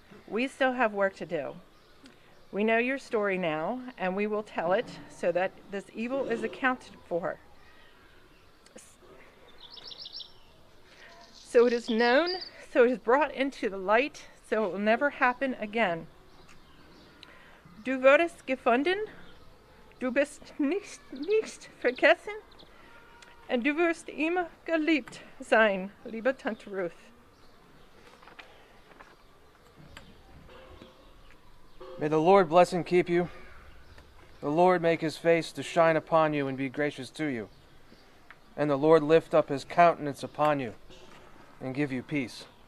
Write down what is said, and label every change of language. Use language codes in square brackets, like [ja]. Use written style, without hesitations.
[en] We still have work to do. We know your story now, and we will tell it so that this evil is accounted for. So it is known, so it is brought into the light, so it will never happen again. [de] Du wurdest gefunden, du bist nicht vergessen, und du wirst immer geliebt sein, liebe Tante Ruth. [en] May the Lord bless and keep you. The Lord make his face to shine upon you and be gracious to you. And the Lord lift up his countenance upon you and give you peace.